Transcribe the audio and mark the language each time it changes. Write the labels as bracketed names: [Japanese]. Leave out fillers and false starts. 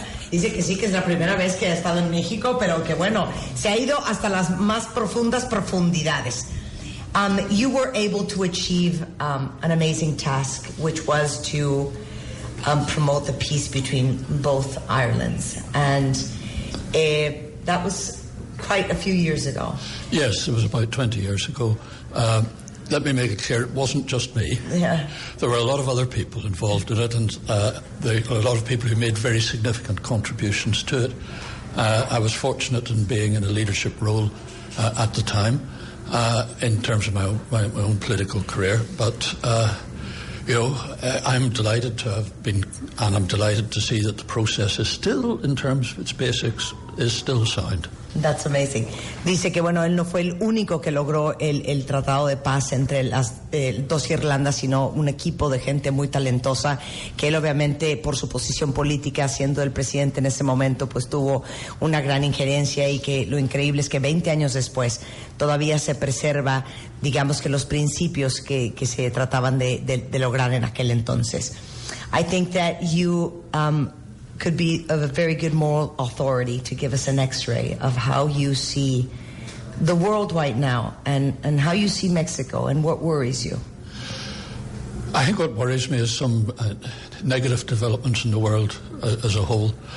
[Spanish] Dice que sí, que es la primera vez que ha estado en México, pero que bueno, se ha ido hasta las más profundas profundidades. [English] You were able to achieve an amazing task, which was to promote the peace between both Irelands. And that was quite a few years ago. Yes, it was about 20 years ago. Let me make it clear, it wasn't just me. Yeah. There were a lot of other people involved in it, and there were a lot of people who made very significant contributions to it. I was fortunate in being in a leadership role at the time, in terms of my own political career. But, I'm delighted to have been, and I'm delighted to see that the process is still, in terms of its basics, is still sound. That's amazing. [Spanish] Dice que, bueno, él no fue el único que logró el tratado de paz entre las dos Irlandas, sino un equipo de gente muy talentosa, que él obviamente, por su posición política, siendo el presidente en ese momento, pues tuvo una gran injerencia, y que lo increíble es que 20 años después todavía se preserva, digamos, que los principios que se trataban de lograr en aquel entonces. [English] I think that you could be of a very good moral authority to give us an x-ray of how you see the world right now, and how you see Mexico, and what worries you. I think what worries me is some negative developments in the world as a whole.